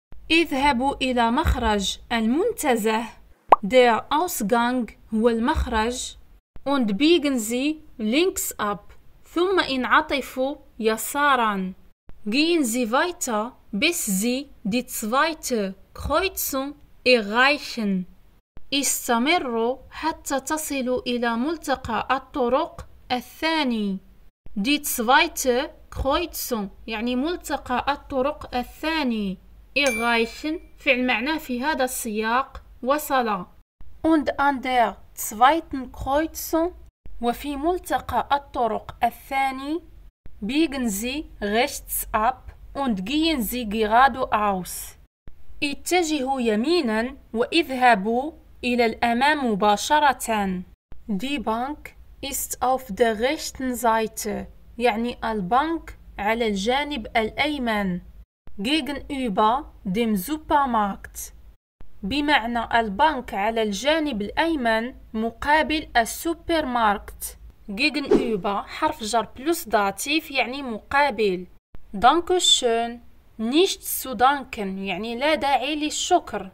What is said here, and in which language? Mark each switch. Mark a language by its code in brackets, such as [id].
[ar] اذهبوا إلى مخرج المنتزه. [de] Der Ausgang [ar] هو المخرج. [de] Und biegen Sie links ab. [ar] ثم انعطفوا يسارا. [de] Gehen Sie weiter, bis Sie die zweite Kreuzung erreichen. [ar] استمروا حتى تصلوا إلى ملتقى الطرق الثاني. [de] Die zweite Kreuzung [ar] يعني ملتقى الطرق الثاني. Erreichen فعل معناه في هذا السياق وصل. [de] Und an der zweiten Kreuzung [ar] وفي ملتقى الطرق الثاني. [de] Biegen Sie rechts ab und gehen Sie geradeaus. [ar] اتجهوا يمينا واذهبوا إلى الأمام مباشرة. [de] Die Bank ist auf der rechten Seite. [ar] يعني البنك على الجانب الأيمن. [de] Gegenüber dem Supermarkt. [ar] بمعنى البنك على الجانب الأيمن مقابل السوبر ماركت. gegenüber, حرف جر plus داتيف يعني مقابل. [de] Dankeschön, nichts zu danken [ar] يعني لا داعي للشكر.